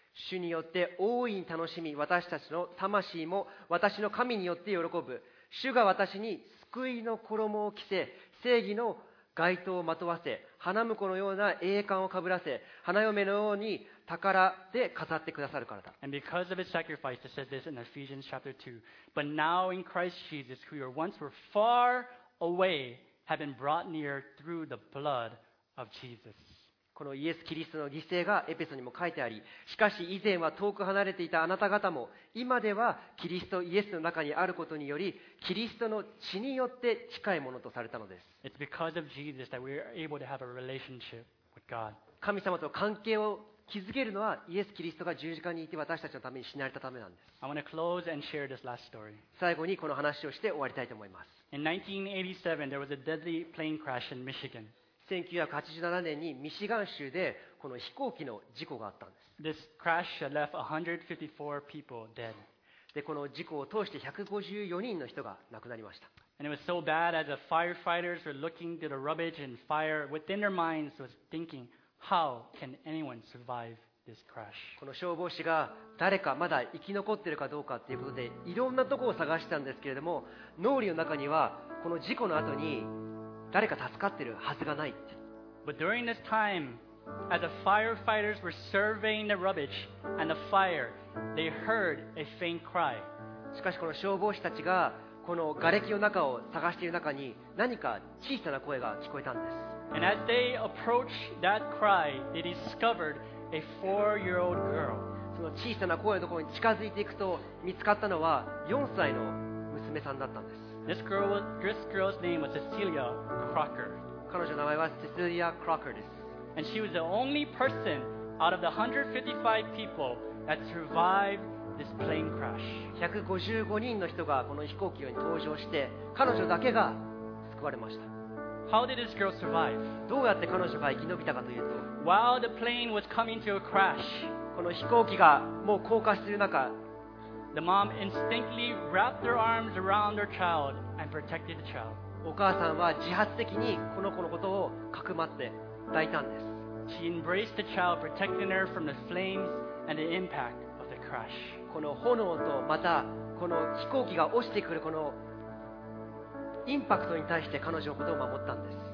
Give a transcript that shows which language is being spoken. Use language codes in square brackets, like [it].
[ja] 主によって大いに楽しみ、私たちの魂も私の神によって喜ぶ。主が私に救いの衣を着せ、正義の街灯をまとわせ、花婿のような栄冠をかぶらせ、花嫁のように宝で飾ってくださるからだ。 [en] And because of his sacrifice, it says this in Ephesians chapter 2. But now in Christ Jesus, who you once were far away, have been brought near through the blood of Jesus. [ja] このイエス・キリストの犠牲がエペソにも書いてあり、しかし以前は遠く離れていたあなた方も、今ではキリストイエスの中にあることにより、キリストの血によって近いものとされたのです。 [en] It's because of Jesus that we are able to have a relationship with God. [ja] 神様と関係を気づけるのはイエス・キリストが十字架にいて私たちのために死なれたためなんです。 [en] I want to close and share this last story. [ja] 最後にこの話をして終わりたいと思います。 [en] In 1987, there was a deadly plane crash in Michigan. [ja] 1987年にミシガン州でこの飛行機の事故があったんです。 [en] This crash left 154 people dead. [ja] で、この事故を通して154人の人が亡くなりました。 [en] And it was so bad as the firefighters were looking through the rubbish and fire within their minds was thinking,How can anyone survive this crash? [ja] この消防士が誰かまだ生き残っているかどうかということでいろんなところを探したんですけれども、脳裏の中にはこの事故の後に誰か助かっているはずがない。 [en] But during this time, as the firefighters were surveying the rubbish and the fire, they heard a faint cry. [ja] しかしこの消防士たちがこの瓦礫の中を探している中に何か小さな声が聞こえたんです。 [en] And as they approached that cry, they discovered a four-year-old girl. [ja] その小さな声のところに近づいていくと見つかったのは4歳の娘さんだったんです。 [en] This girl's name was Cecilia Crocker. [ja] 彼女の名前は Cecilia Crocker です。 [en] And she was the only person out of the 155 people that survived this plane crash. [ja] 155人の人がこの飛行機に搭乗して彼女だけが救われました。 [en] How did this girl survive? [ja] どうやって彼女が生き延びたかというと、 [en] While the plane was coming to a crash, [ja] この飛行機がもう降下する中、 [en] the mom instinctively wrapped her arms around her child and protected the child. [ja] お母さんは自発的にこの子のことをかくまって抱いたんです。 [en] She embraced the child, protecting her from the flames and the impact. [ja] この炎とまたこの飛行機が落ちてくるこのインパクトに対して彼女のことを守ったんです。